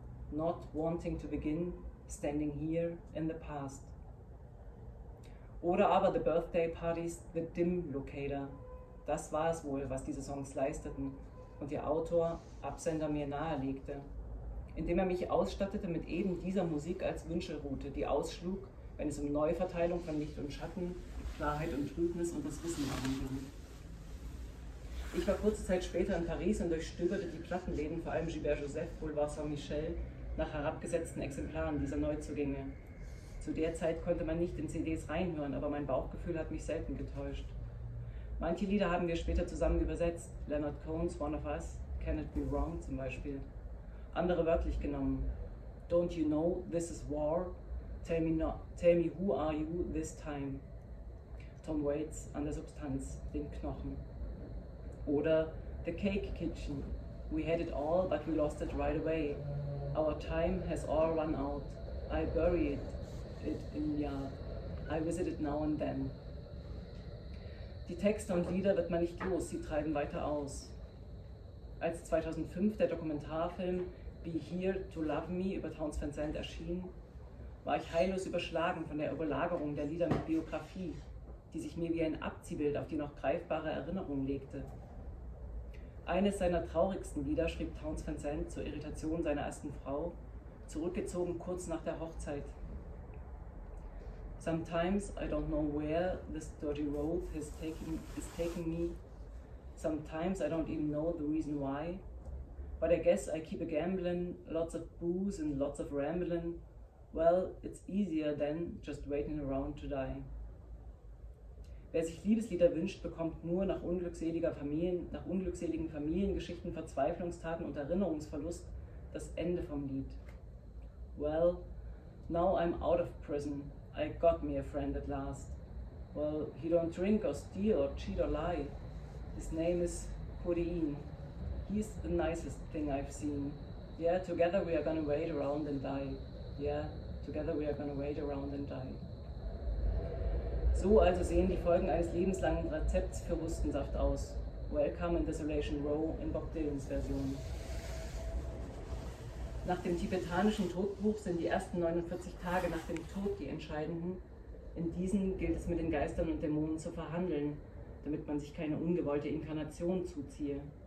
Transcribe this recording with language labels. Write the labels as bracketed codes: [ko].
[en] Not wanting to begin, standing here in the past. [de] Oder aber The Birthday Parties, The Dim Locator. Das war es wohl, was diese Songs leisteten und ihr Autor, Absender mir nahelegte, indem er mich ausstattete mit eben dieser Musik als Wünschelrute, die ausschlug, wenn es um Neuverteilung von Licht und Schatten, Klarheit und Trübnis und das Wissen ging. Ich war kurze Zeit später in Paris und durchstöberte die Plattenläden, vor allem Gilbert Joseph, Boulevard Saint-Michel, nach herabgesetzten Exemplaren dieser Neuzugänge. Zu der Zeit konnte man nicht in CDs reinhören, aber mein Bauchgefühl hat mich selten getäuscht. Manche Lieder haben wir später zusammen übersetzt, Leonard Cohen's One of Us, Can It Be Wrong zum Beispiel. Andere wörtlich genommen, Don't You Know This Is War? [en] Tell me, who are you this time? [de] Tom Waits an der Substanz, den Knochen. Oder The Cake Kitchen. [en] We had it all, but we lost it right away. Our time has all run out. I buried it in the yard. I visit it now and then. [de] Die Texte und Lieder wird man nicht los, sie treiben weiter aus. Als 2005 der Dokumentarfilm Be Here to Love Me über Towns Van Zandt erschien, war ich heillos überschlagen von der Überlagerung der Lieder mit Biografie, die sich mir wie ein Abziehbild auf die noch greifbare Erinnerung legte. Eines seiner traurigsten Lieder schrieb Towns Van Zandt zur Irritation seiner ersten Frau, zurückgezogen kurz nach der Hochzeit. [en] Sometimes I don't know where this dirty road is taking me. Sometimes I don't even know the reason why. But I guess I keep a gambling, lots of booze and lots of rambling. Well, it's easier than just waiting around to die. [de] Wer sich Liebeslieder wünscht, bekommt nur nach unglückseligen Familiengeschichten, Verzweiflungstaten und Erinnerungsverlust das Ende vom Lied. [en] Well, now I'm out of prison. I got me a friend at last. Well, he don't drink or steal or cheat or lie. His name is Codeine. He's the nicest thing I've seen. Yeah, together we are gonna wait around and die. Yeah, together we are gonna wait around and die. [de] So also sehen die Folgen eines lebenslangen Rezepts für Hustensaft aus. Welcome in Desolation Row in Bob Dylans Version. Nach dem tibetanischen Todbuch sind die ersten 49 Tage nach dem Tod die entscheidenden. In diesen gilt es mit den Geistern und Dämonen zu verhandeln, damit man sich keine ungewollte Inkarnation zuziehe.